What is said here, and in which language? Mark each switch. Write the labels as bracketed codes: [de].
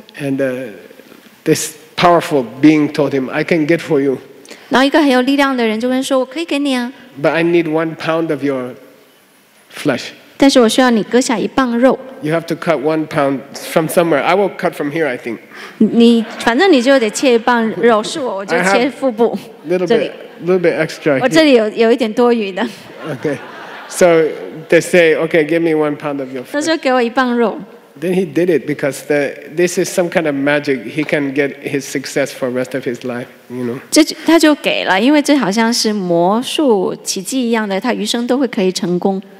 [en] And this powerful being told him, "I can get for you." [zh] 然后一个很有力量的人就跟说：“我可以给你啊。” [en] But I need 1 pound of your flesh. [zh] 但是我需要你割下一磅肉。 [en] You have to cut 1 pound from somewhere. I will cut from here, I think. [zh] 你反正你就得切一磅肉，是我就切腹部。 [en] Little bit extra. [zh] 我这里有一点多余的。 [en] Okay, so they say, okay, give me 1 pound of your flesh. [zh] 他说给我一磅肉。 [en] Then he did it because this is some kind of magic. He can get his success for the rest of his life, you know. [zh] 这他就给了，因为这好像是魔术奇迹一样的，他余生都会可以成功。